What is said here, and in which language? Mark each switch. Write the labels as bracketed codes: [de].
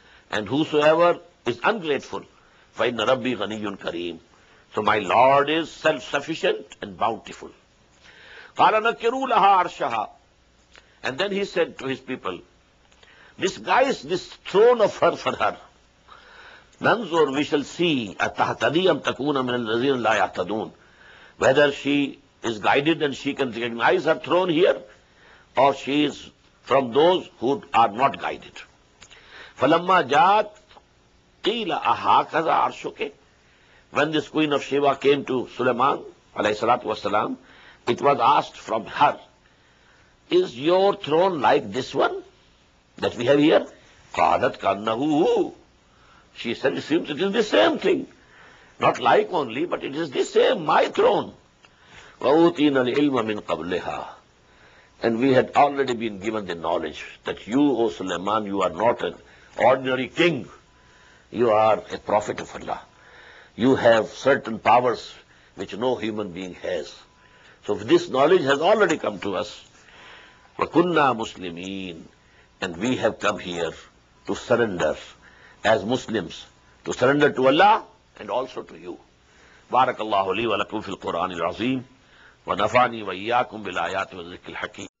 [en] And whosoever is ungrateful, [ar] فَإِنَّ رَبِّي غَنِيٌّ كَرِيمٌ. [en] So my Lord is self-sufficient and bountiful. [ar] قَالَ نَكِرُوا لَهَا عَرْشَهَا. [en] And then he said to his people, disguise this throne of her for her. [ar] ننظر, [en] we shall see, [ar] أتهتدي أم تكون من الذين لا يهتدون. [en] whether she is guided and she can recognize her throne here, or she is from those who are not guided. [ar] فَلَمَّا جَاتْ قِيلَ أَحَاكَذَا عَرْشُكَ. [en] When this queen of Sheba came to Suleiman, alayhi salatu wasalam, it was asked from her, is your throne like this one that we have here? [ar] قَالَتْ كَأَنَّهُ. [en] She said, it seems it is the same thing. Not like only, but it is the same, my throne. [ar] وَأُوْتِينَ الْعِلْمَ مِنْ قَبْلِهَا. [en] And we had already been given the knowledge that you, O Suleiman, you are not an ordinary king. You are a prophet of Allah. You have certain powers which no human being has. So this knowledge has already come to us. [ar] وَكُنَّا مُسْلِمِينَ. [en] And we have come here to surrender as Muslims, to surrender to Allah and also to you. [ar] بارك الله لي ولكم في القرآن العظيم ونفعني وإياكم بالآيات والذكر الحكيم.